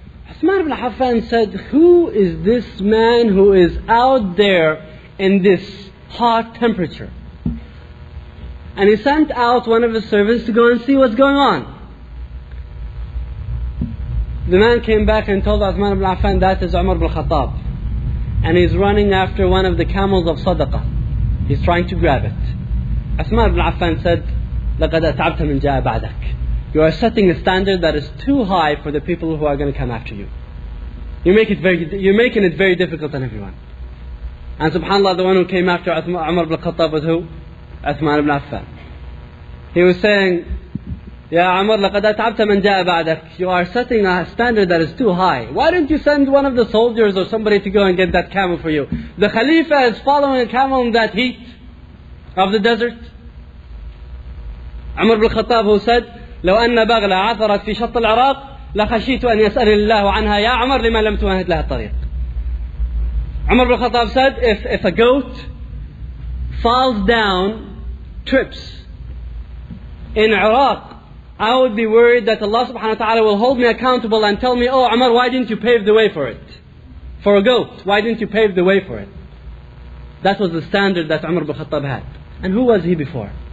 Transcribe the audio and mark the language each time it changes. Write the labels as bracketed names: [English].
[English] Uthman ibn Affan said, who is this man who is out there in this hot temperature? And he sent out one of his servants to go and see what's going on. The man came back and told Uthman ibn Affan, that is Umar ibn Khattab. And he's running after one of the camels of Sadaqah. He's trying to grab it. Uthman ibn Affan said, [Arabic] لَقَدْ أَتْعَبْتَ مِنْ جَاءَ بَعْدَكَ. [English] You are setting a standard that is too high for the people who are going to come after you. You're making it very difficult on everyone. And subhanAllah, the one who came after Umar ibn Khattab was who? Uthman ibn Affan. He was saying, Ya Umar, [Arabic] لَقَدْ أَتْعَبْتَ مَنْ جَاءَ بَعْدَكَ. [English] You are setting a standard that is too high. Why don't you send one of the soldiers or somebody to go and get that camel for you? The Khalifa is following a camel in that heat of the desert. [Arabic] Umar ibn Khattab, [English] who said, [Arabic] لو أن بغلة عثرت في شط العراق لخشيت أن يسأل الله عنها يا عمر لما لم تمهد لها الطريق. [English] عمر بن الخطاب said, if a goat falls down, trips in Iraq, I would be worried that Allah subhanahu wa ta'ala will hold me accountable and tell me, oh Umar, why didn't you pave the way for it? For a goat, why didn't you pave the way for it? That was the standard that Umar bin Khattab had. And who was he before?